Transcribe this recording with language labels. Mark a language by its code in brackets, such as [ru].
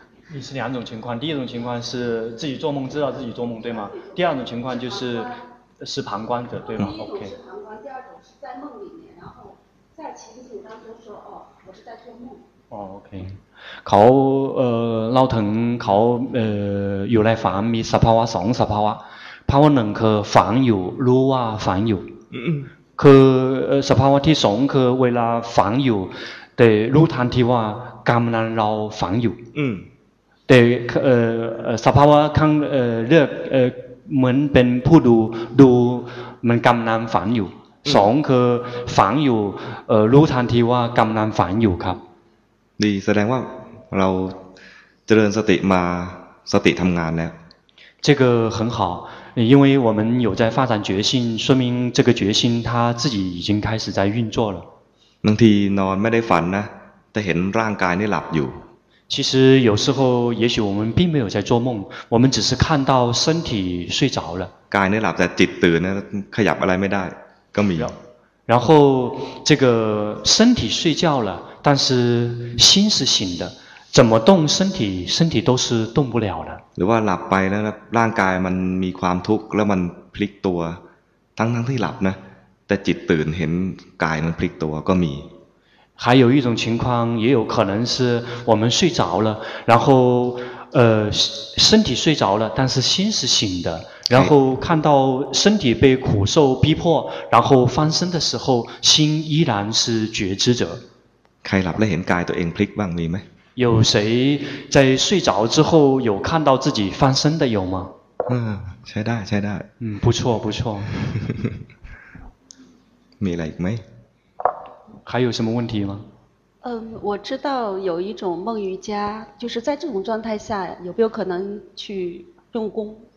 [zh] 你是两种情况，第一种情况是自己做梦知道自己做梦，对吗？第二种情况就是是旁观者，对吗？第一种是旁观，第二种是在梦里面，然后在情景当中说，哦，我是在做梦。 [th] 哦 ，OK， เขาเล่าถึงเขาอยู่ในฝันมีสภาวะสองสภาวะภาวะหนึ่งคือฝันอยู่รู้ว่าฝันอยู่คือสภาวะที่สองคือเวลาฝันอยู่แต่รู้ทันทีว่ากำลังเราฝันอยู่แ ต่สภาวะข้างเลือกเหมือนเป็นผู้ดูดูมันกำลังฝันอยู่สองคือฝันอยู่รู้ทันทีว่ากำลังฝันอยู่ครับ ดีแสดงว่าเราเจริญสติมาสติทำงานแล้ว [zh] 这个很好因为我们有在发展觉性说明这个觉性它自己已经开始在运作了 [th] บางทีนอนไม่ได้ฝันนะแต่เห็นร่างกายนี่หลับอยู่ [zh] 其实有时候也许我们并没有在做梦我们只是看到身体睡着了 [th] กายนี่หลับแต่จิตตื่นนะขยับอะไรไม่ได้ก็มี [zh] 然后这个身体睡觉了但是心是醒的怎么动身体身体都是动不了的 [th] หรือว่าหลับไปแล้วร่างกายมันมีความทุกข์แล้วมันพลิกตัวทั้งที่หลับนะแต่จิตตื่นเห็นกายมันพลิกตัวก็มี [zh] 还有一种情况也有可能是我们睡着了然后身体睡着了但是心是醒的然后看到身体被苦受逼迫然后翻身的时候心依然是觉知者 [th] ใครหลับแล้วเห็นกายตัวเองพลิกบ้างมีไหม [zh] 有谁在睡着之后有看到自己翻身的有吗 [th] ใช่ได้ใช่ได้ [zh] 不错不错 [th] มีอะไรอีกไหม [zh] 还有什么问题吗我知道有一种梦瑜伽就是在这种状态下有没有可能去用功